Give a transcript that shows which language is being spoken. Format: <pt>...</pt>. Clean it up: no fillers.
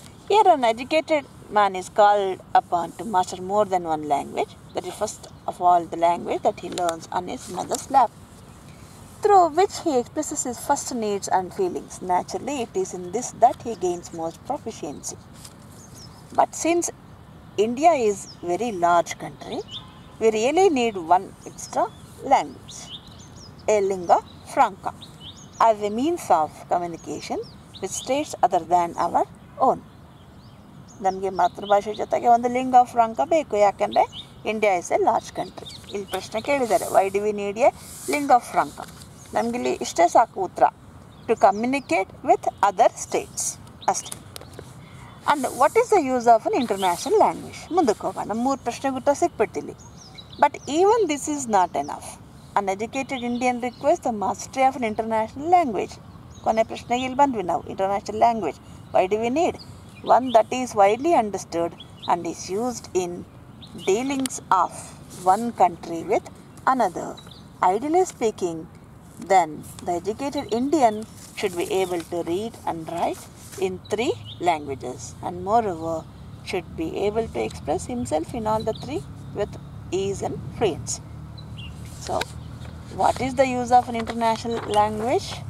<en>Here an educated man is called upon to master more than one language, that is first of all the language that he learns on his mother's lap through which he expresses his first needs and feelings. Naturally it is in this that he gains most proficiency. But since India is very large country, we really need one extra language, a lingua franca, as a means of communication with states other than our own.</en> <kn>ನಮಗೆ ಮಾತೃಭಾಷೆ ಜೊತೆಗೆ ಒಂದು ಲಿಂಗ ಫ್ರಾಂಕ ಬೇಕು, ಯಾಕೆಂದರೆ</kn> <en>India is a large country.</en> <kn>ಇಲ್ಲಿ ಪ್ರಶ್ನೆ ಕೇಳಿದ್ದಾರೆ,</kn> <en>Why do we need a lingua franca?</en> <kn>ನಮಗಿಲ್ಲಿ ಇಷ್ಟೇ ಸಾಕು ಉತ್ತರ,</kn> <en>to communicate with other states</en> <kn>ಅಷ್ಟೇ.</kn> <en>And what is the use of an international language?</en> <kn>ಮುಂದಕ್ಕೆ ಹೋಗೋಣ, ಮೂರು ಪ್ರಶ್ನೆ ಗುಟ್ಟ ಸಿಕ್ಬಿಡ್ತೀನಿ.</kn> <en>But even this is not enough. An educated Indian request the mastery of an international language.</en> <kn>ಕೊನೆ ಪ್ರಶ್ನೆಗೆ ಇಲ್ಲಿ ಬಂದ್ವಿ ನಾವು,</kn> <en>International language why do we need? One that is widely understood and is used in dealings of one country with another. Ideally speaking then the educated Indian should be able to read and write in three languages and moreover should be able to express himself in all the three with ease and fluency. So what is the use of an international language?</en>